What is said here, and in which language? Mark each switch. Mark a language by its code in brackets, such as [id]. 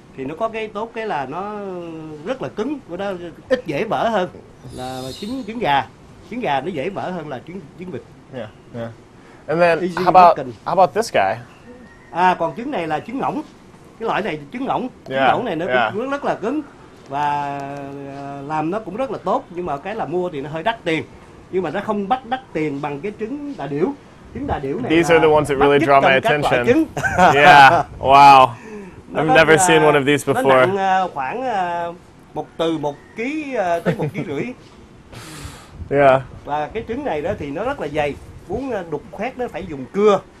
[vi] Thì nó có cái tốt cái là nó rất là cứng. Nó ít dễ vỡ hơn là trứng gà. Trứng gà nó dễ vỡ hơn là trứng vịt. [en] Yeah. Yeah. And then how about this guy? [vi] Còn trứng này là trứng ngỗng. Cái loại này trứng ngỗng. [en] Yeah, [vi] trứng ngỗng này nó rất là cứng. Và làm nó cũng rất là tốt. Nhưng mà cái là mua thì nó hơi đắt tiền. Nhưng mà nó không bắt đắt tiền bằng cái trứng đà điểu. Trứng đà điểu này [en] these [vi] là [en] are the ones that really draw my attention. [vi] Trứng. [en] Yeah, wow. I've never seen one of these before. [vi] Nó nặng khoảng từ 1 ký tới 1 ký rưỡi. [en] Yeah. [vi] Và cái trứng này đó thì nó rất là dày. Muốn đục khoét nó phải dùng cưa.